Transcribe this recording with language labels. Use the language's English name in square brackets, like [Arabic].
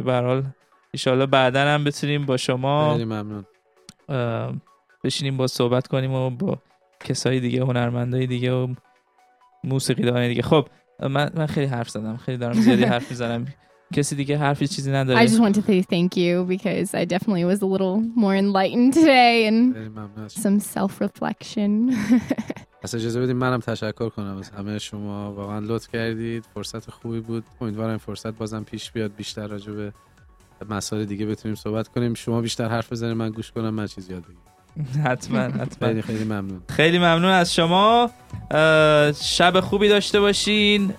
[Persian] به هر حال ان شاء الله بعداً هم بتونیم با شما خیلی ممنون بشینیم با صحبت کنیم و با کسای دیگه، هنرمندای دیگه و موسیقیدان دیگه. خب من خیلی حرف زدم، خیلی دارم زیادی حرف میزنم. کسی دیگه حرفی چیزی نداره؟ [English] I just want to say thank you because I definitely was a little more enlightened today and some self reflection. [Persian] اصلا اجازه بدید منم تشکر کنم از همه شما، واقعا لطف کردید، فرصت خوبی بود. امیدوارم فرصت بازم پیش بیاد بیشتر راجع به مسائل دیگه بتونیم صحبت کنیم، شما بیشتر حرف بزنید، من گوش کنم، من چیز یاد بگیرم. حتما خیلی ممنون. خیلی ممنون از شما، شب خوبی داشته باشین.